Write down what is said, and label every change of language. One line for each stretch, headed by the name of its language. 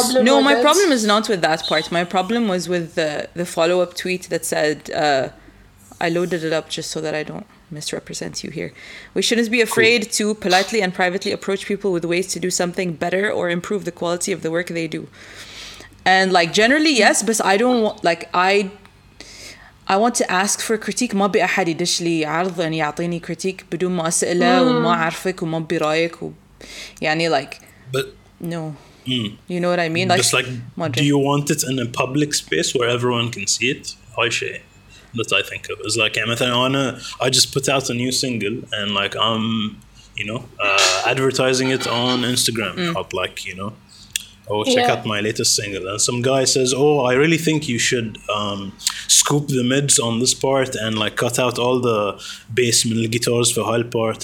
English: My problem is not with that part. My problem was with the follow up tweet that said, "I loaded it up just so that I don't misrepresent you here. We shouldn't be afraid to politely and privately approach people with ways to do something better or improve the quality of the work they do." And like, generally, yes, but I don't want, like, I want to ask for critique.
Arabic: ما بي أحد يدش لي عرض أن يعطيني كريتيك بدون ما أسأله وما أعرفك وما بي رأيك يعني
English: like. But no. You know what I mean? Just like, do you want it in a public space where everyone can see it? Hi Shay. That I think of is like, I just put out a new single and like I'm, you know, advertising it on Instagram. Not like, you know, check out my latest single. And some guy says, oh, I really think you should scoop the mids on this part and like cut out all the bass and guitars for the whole part.